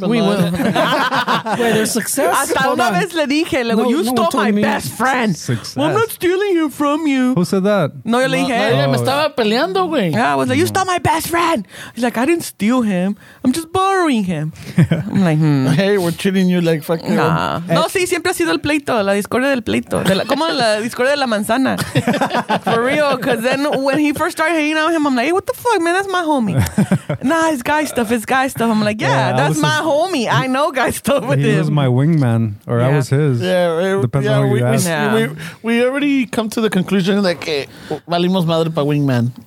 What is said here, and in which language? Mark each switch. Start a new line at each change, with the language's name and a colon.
English: But we would have. Wait, there's success?
Spanish: Hasta una vez le dije,
English: like, you stole my best friend. Success. Well, I'm not stealing you from you. Who said that?
Spanish: No, yo le dije. Me estaba peleando, güey.
English: Yeah, I was like, you stole my best friend. He's like, I didn't steal him. I'm just borrowing him. I'm like, Hey, we're treating you like fucking... Nah.
Spanish: No, sí, siempre ha sido el pleito, la discordia del pleito. De la, ¿cómo la discordia de la manzana?
English: For real, because then when he first started hanging out with him, I'm like, hey, what the fuck, man, that's my homie. Nah, it's guy stuff, it's guy stuff. I'm like, yeah, that's my homie. I know guy stuff with him. He was my wingman, or yeah. I was his. Depends on who you ask. We already come to the conclusion that like,
Spanish: valimos madre pa
English: wingman.